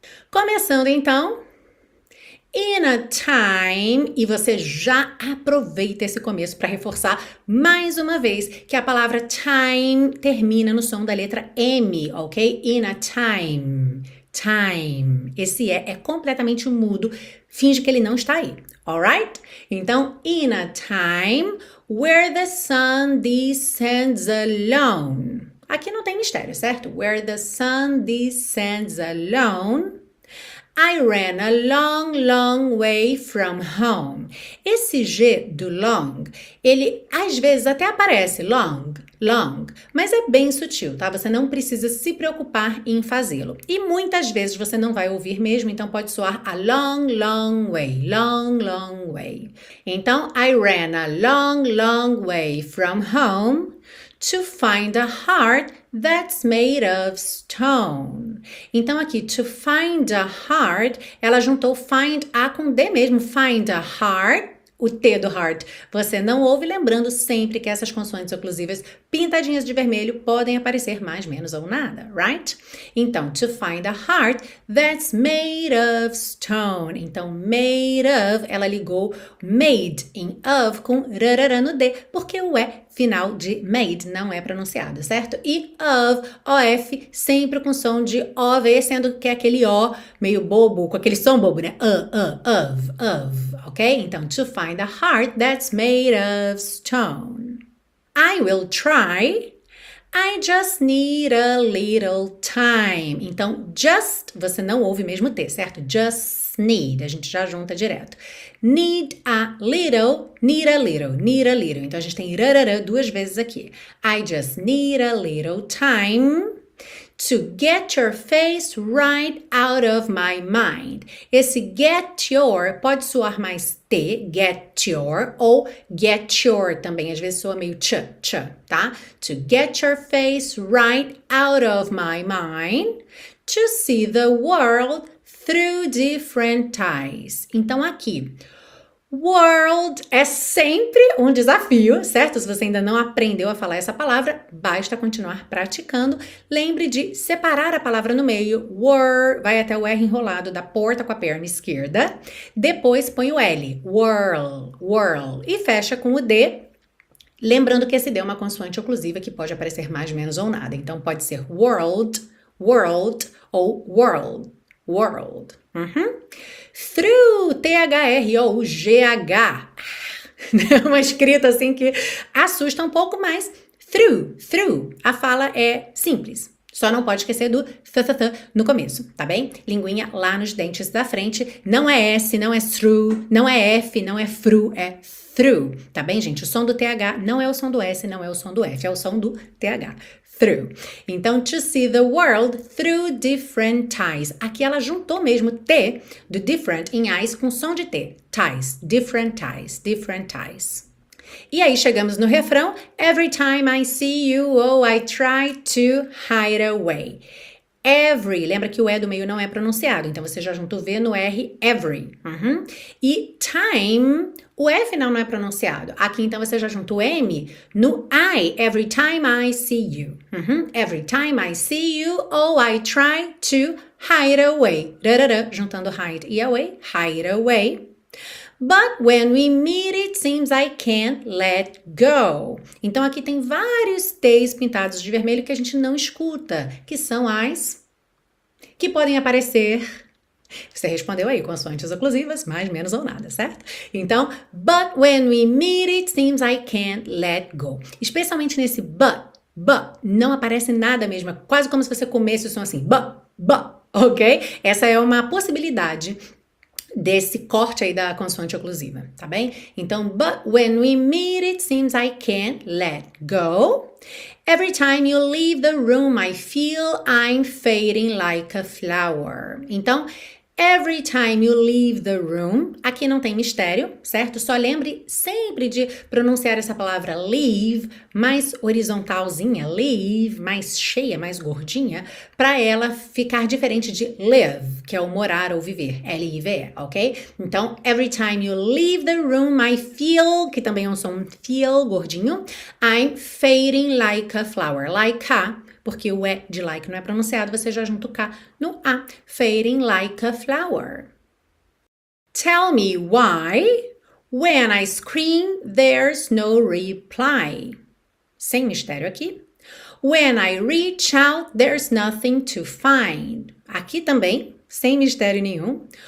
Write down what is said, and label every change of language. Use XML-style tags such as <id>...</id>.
<pt>Começando então,</pt> <en>in a time,</en> <pt>e você já aproveita esse começo para reforçar mais uma vez que a palavra time termina no som da letra M, ok?</pt> <en>In a time, time.</en> <pt>Esse é completamente mudo, finge que ele não está aí,</pt> <en>alright? Então, in a time where the sun descends alone.</en> <pt>Aqui não tem mistério, certo?</pt> <en>Where the sun descends alone. I ran a long, long way from home.</en> <pt>Esse G do long, ele às vezes até aparece</pt> <en>long, long,</en> <pt>mas é bem sutil, tá? Você não precisa se preocupar em fazê-lo. E muitas vezes você não vai ouvir mesmo, então pode soar</pt> <en>a long, long way, long, long way.</en> <pt>Então,</pt> <en>I ran a long, long way from home to find a heart that's made of stone.</en> <pt>Então aqui,</pt> <en>to find a heart,</en> <pt>ela juntou</pt> <en>find a</en> <pt>com D mesmo.</pt> <en>Find a heart,</en> <pt>o T do heart, você não ouve, lembrando sempre que essas consoantes oclusivas pintadinhas de vermelho podem aparecer mais, menos ou nada,</pt> <en>right?</en> <pt>Então,</pt> <en>to find a heart that's made of stone.</en> <pt>Então,</pt> <en>made of,</en> <pt>ela ligou made em of com rarara no D, porque o E final de made não é pronunciado, certo? E of, OF, sempre com som de OV, sendo que é aquele O meio bobo, com aquele som bobo, né?</pt> <en>Of, ok?</en> <pt>Então,</pt> <en>to find a heart that's made of stone. I will try. I just need a little time.</en> <pt>Então, just, você não ouve mesmo T, certo?</pt> <en>Just need,</en> <pt>a gente já junta direto.</pt> <en>Need a little, need a little, need a little.</en> <pt>Então, a gente tem rarara duas vezes aqui.</pt> <en>I just need a little time to get your face right out of my mind.</en> <pt>Esse</pt> <en>get your</en> <pt>pode soar mais T, get your, ou get your também, às vezes soa meio tch, tá?</pt> <en>To get your face right out of my mind to see the world through different eyes.</en> <pt>Então aqui, world é sempre um desafio, certo? Se você ainda não aprendeu a falar essa palavra, basta continuar praticando. Lembre de separar a palavra no meio. World, vai até o R enrolado da porta com a perna esquerda. Depois põe o L. World, world. E fecha com o D. Lembrando que esse D é uma consoante oclusiva que pode aparecer mais, menos ou nada. Então pode ser world, world ou world, world. Through, through, G-H. É uma escrita assim que assusta um pouco, mas through. A fala é simples. Só não pode esquecer do th no começo, tá bem? Linguinha lá nos dentes da frente. Não é S, não é through, não é F, não é fru, é through. Tá bem, gente? O som do TH não é o som do S, não é o som do F, é o som do TH.</pt> <en>Through.</en> <pt>Então,</pt> <en>to see the world through different eyes.</en> <pt>Aqui ela juntou mesmo T do different em eyes com som de T.</pt> <en>Ties, different eyes, different eyes.</en> <pt>E aí chegamos no refrão,</pt> <en>every time I see you, oh, I try to hide away.</en> <pt>Every, lembra que o E do meio não é pronunciado, então você já junta o V no R, every. Uhum. E time, o F não é pronunciado, aqui então você já junta o M no I,</pt> <en>every time I see you. Uhum. Every time I see you, oh, I try to hide away. Rarara,</en> <pt>juntando</pt> <en>hide e away, hide away. But when we meet, it seems I can't let go.</en> <pt>Então, aqui tem vários T's pintados de vermelho que a gente não escuta, que são as que podem aparecer. Você respondeu aí, consoantes oclusivas, mais, menos ou nada, certo? Então,</pt> <en>but when we meet, it seems I can't let go.</en> <pt>Especialmente nesse but, não aparece nada mesmo. É quase como se você comesse o som assim, but, ok? Essa é uma possibilidade desse corte aí da consoante oclusiva, tá bem?</pt> <en>Então, but when we meet, it seems I can't let go. Every time you leave the room, I feel I'm fading like a flower.</en> <pt>Então,</pt> <en>every time you leave the room,</en> <pt>aqui não tem mistério, certo? Só lembre sempre de pronunciar essa palavra leave mais horizontalzinha, leave mais cheia, mais gordinha, para ela ficar diferente de live, que é o morar ou viver, L-I-V-E, ok? Então,</pt> <en>every time you leave the room, I feel,</en> <pt>que também é um som feel gordinho,</pt> <en>I'm fading like a flower, like a,</en> <pt>porque o E de like não é pronunciado, você já junta o K no A.</pt> <en>Fading like a flower. Tell me why, when I scream, there's no reply.</en> <pt>Sem mistério aqui.</pt> <en>When I reach out, there's nothing to find.</en> <pt>Aqui também, sem mistério nenhum.</pt>